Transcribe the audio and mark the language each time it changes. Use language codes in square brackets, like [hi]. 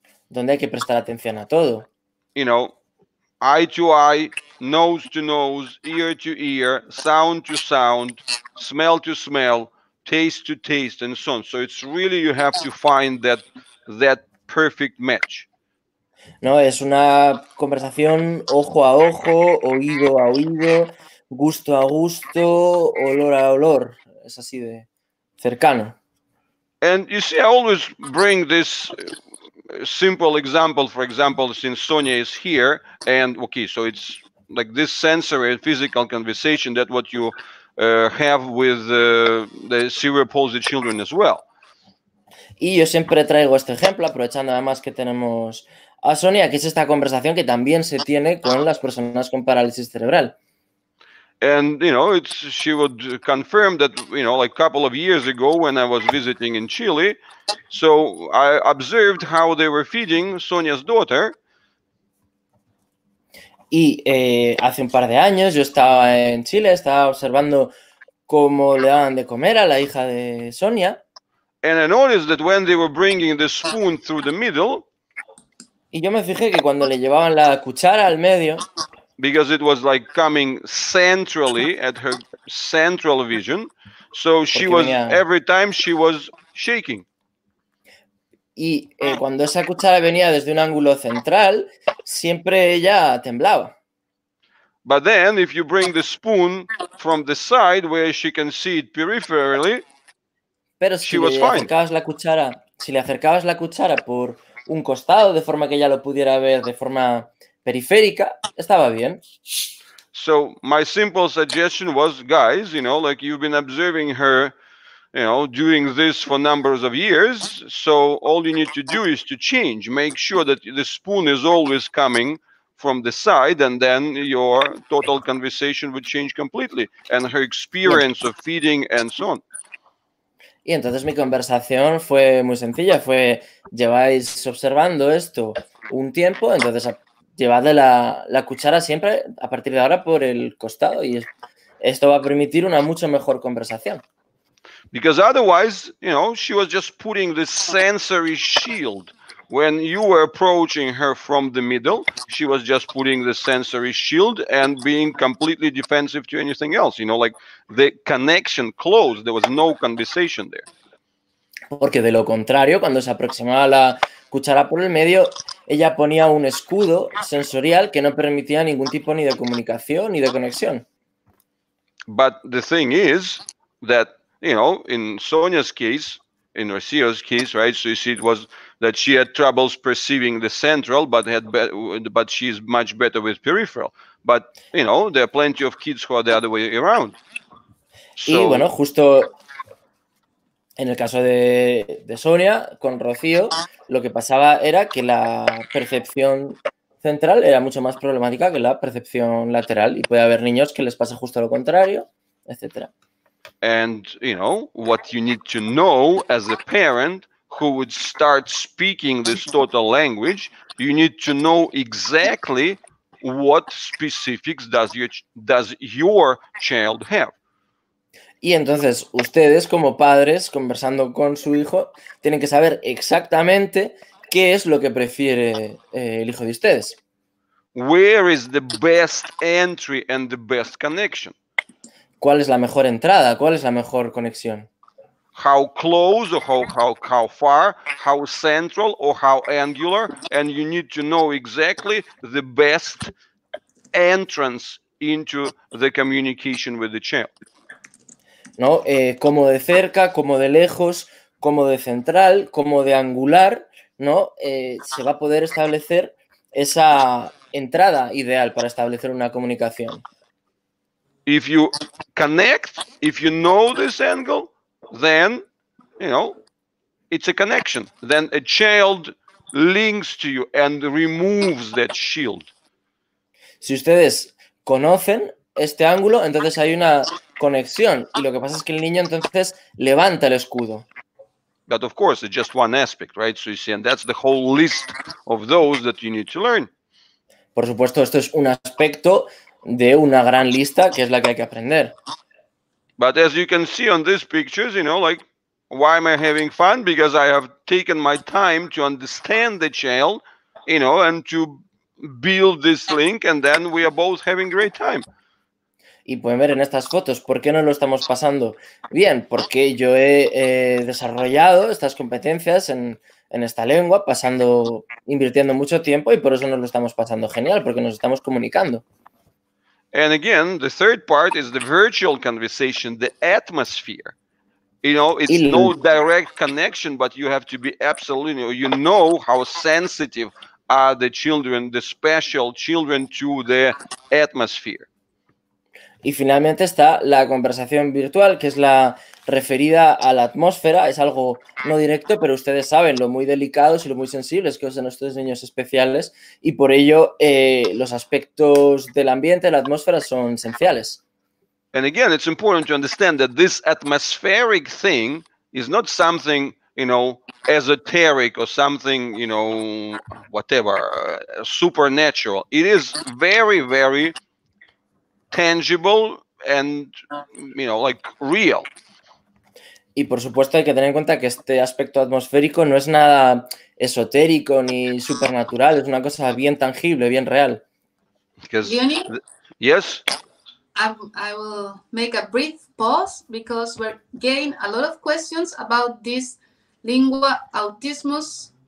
[es] Donde hay que prestar atención a todo. [en] You know, eye to eye, nose to nose, ear to ear, sound to sound, smell to smell, taste to taste, and so on. So it's really you have to find that perfect match. [es] No, es una conversación ojo a ojo, oído a oído, gusto a gusto, olor a olor. Es así de cercano. [en] And you see, I always bring this simple example, for example, since Sonia is here, and okay, so it's like this sensory and physical conversation that what you have with the cerebral palsy children as well. [es] Y yo siempre traigo este ejemplo, aprovechando además que tenemos a Sonia, que es esta conversación que también se tiene con las personas con parálisis cerebral. [en] And, you know, it's, she would confirm that, you know, like a couple of years ago when I was visiting in Chile, so I observed how they were feeding Sonia's daughter. [es] Y hace un par de años yo estaba en Chile, estaba observando cómo le daban de comer a la hija de Sonia. [en] And I noticed that when they were bringing the spoon through the middle, [es] y yo me fijé que cuando le llevaban la cuchara al medio, [en] because it was like coming centrally at her central vision, so she was every time she was shaking. [es] Y cuando esa cuchara venía desde un ángulo central, siempre ella temblaba. [en] But then, if you bring the spoon from the side where she can see it peripherally, [es] pero si le acercabas la cuchara, si le acercabas la cuchara por un costado de forma que ella lo pudiera ver de forma periférica, estaba bien. [en] So my simple suggestion was, guys, you know, like you've been observing her, you know, doing this for numbers of years, so all you need to do is to change, make sure that the spoon is always coming from the side, and then your total conversation would change completely, and her experience of feeding and so on. [es] Y entonces mi conversación fue muy sencilla, fue, lleváis observando esto un tiempo, entonces llevad la cuchara siempre a partir de ahora por el costado, y esto va a permitir una mucho mejor conversación. [en] Because otherwise, you know, she was just putting this sensory shield. When you were approaching her from the middle, she was just putting the sensory shield and being completely defensive to anything else. You know, like the connection closed. There was no conversation there. [es] Porque de lo contrario, cuando se aproximaba la cuchara por el medio, ella ponía un escudo sensorial que no permitía ningún tipo ni de comunicación ni de conexión. [en] But the thing is that, you know, in Sonia's case, in Rocio's case, right? So you see, it was that she had troubles perceiving the central, but she's much better with peripheral. But, you know, there are plenty of kids who are the other way around. [es] So, y bueno, justo en el caso de Sonia, con Rocio, lo que pasaba era que la percepción central era mucho más problemática que la percepción lateral. Y puede haber niños que les pasa justo lo contrario, etcétera. [en] And, you know, what you need to know as a parent who would start speaking this total language, you need to know exactly what specifics does your child have. [es] Y entonces, ustedes como padres, conversando con su hijo, tienen que saber exactamente qué es lo que prefiere el hijo de ustedes. [en] Where is the best entry and the best connection? [es] ¿Cuál es la mejor entrada? ¿Cuál es la mejor conexión? [en] How close, or how far, how central, or how angular, and you need to know exactly the best entrance into the communication with the child. [es] No, como de cerca, como de lejos, como de central, como de angular, ¿no? Se va a poder establecer esa entrada ideal para establecer una comunicación. [en] If you connect, if you know this angle, then, you know, it's a connection. Then a child links to you and removes that shield. [es] Si ustedes conocen este ángulo, entonces hay una conexión. Y lo que pasa es que el niño entonces levanta el escudo. [en] But of course, it's just one aspect, right? So you see, and that's the whole list of those that you need to learn. [es] Por supuesto, esto es un aspecto de una gran lista que es la que hay que aprender. [en] But as you can see on these pictures, you know, like, why am I having fun? Because I have taken my time to understand the child, you know, and to build this link, and then we are both having great time. [es] Y pueden ver en estas fotos, ¿por qué no lo estamos pasando bien? Porque yo he desarrollado estas competencias en esta lengua, pasando, invirtiendo mucho tiempo, y por eso nos lo estamos pasando genial, porque nos estamos comunicando. [en] And again, the third part is the virtual conversation, the atmosphere. You know, it's no direct connection, but you have to be absolutely, you know how sensitive are the children, the special children to the atmosphere. [es] Y finalmente está la conversación virtual, que es la referida a la atmósfera. Es algo no directo, pero ustedes saben lo muy delicados y lo muy sensibles que son estos niños especiales. Y por ello, los aspectos del ambiente, la atmósfera, son esenciales. [en] And again, it's important to understand that this atmospheric thing is not something, you know, esoteric or something, you know, whatever, supernatural. It is very, very tangible and, you know, like real. [es] Y por supuesto hay que tener en cuenta que este aspecto atmosférico no es nada esotérico ni supernatural, es una cosa bien tangible, bien real. [en] Yes. I will make a brief pause because we're getting a lot of questions about this lingua autismus.